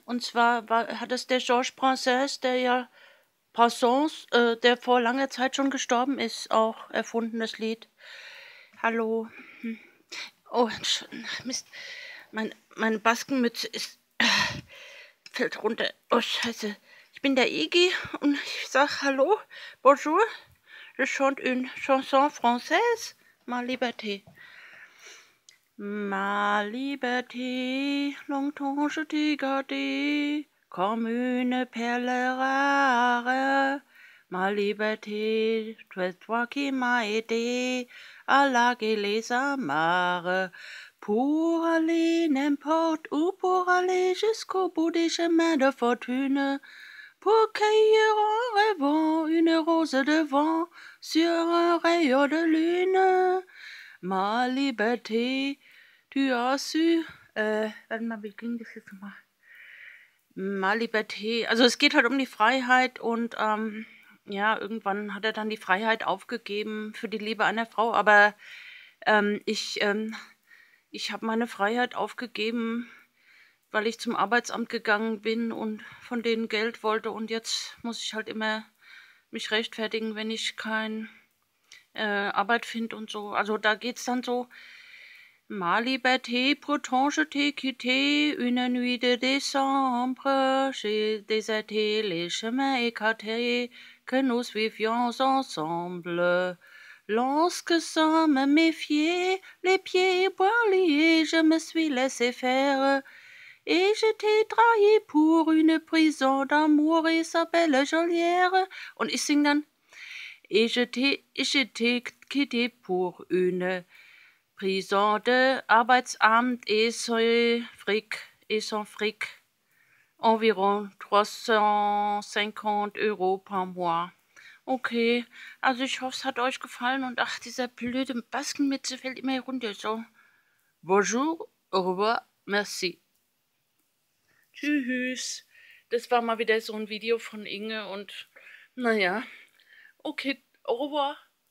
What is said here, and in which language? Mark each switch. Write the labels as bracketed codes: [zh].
[de] Und zwar hat es der Georges Brassens, der ja Brassens, der vor langer Zeit schon gestorben ist, auch erfunden, das Lied. Hallo. Oh, Mist, meine Baskenmütze fällt runter. Oh, Scheiße. Ich bin der Iggy und ich sage Hallo, bonjour. [fr] Je chante une chanson française, ma liberté. Ma liberté, longtemps je t'ai gardé, comme une perle rare. Ma liberté, tu es toi qui m'as aidé à larguer les amarres. Pour aller n'importe où, pour aller jusqu'au bout des chemins de fortune, pour cueillir en rêvant une rose de vent sur un rayon de lune. Ma liberté, tu as su, [de] warte mal, wie ging das jetzt nochmal? Ma liberté, also es geht halt um die Freiheit und ja, irgendwann hat er dann die Freiheit aufgegeben für die Liebe einer Frau, aber ich habe meine Freiheit aufgegeben, weil ich zum Arbeitsamt gegangen bin und von denen Geld wollte und jetzt muss ich halt immer mich rechtfertigen, wenn ich keine Arbeit finde und so. Also da geht's dann so. [fr] Ma liberté, pourtant je t'ai quitté, une nuit de décembre, j'ai déserté les chemins écartés que nous suivions ensemble. Lorsque sans me méfier, les pieds poings liés, je me suis laissé faire, et je t'ai trahi pour une prison d'amour et sa belle geôlière. [de] Und ich sing dann, [fr] et je t'ai quitté pour une Prison de Arbeitsamt et son fric, environ 350 Euro par mois. [de] Okay, also ich hoffe, es hat euch gefallen und ach, dieser blöde Baskenmütze fällt immer runter. So. [fr] Bonjour, au revoir, merci. [de] Tschüss. Das war mal wieder so ein Video von Inge und naja. Okay, [fr] au revoir.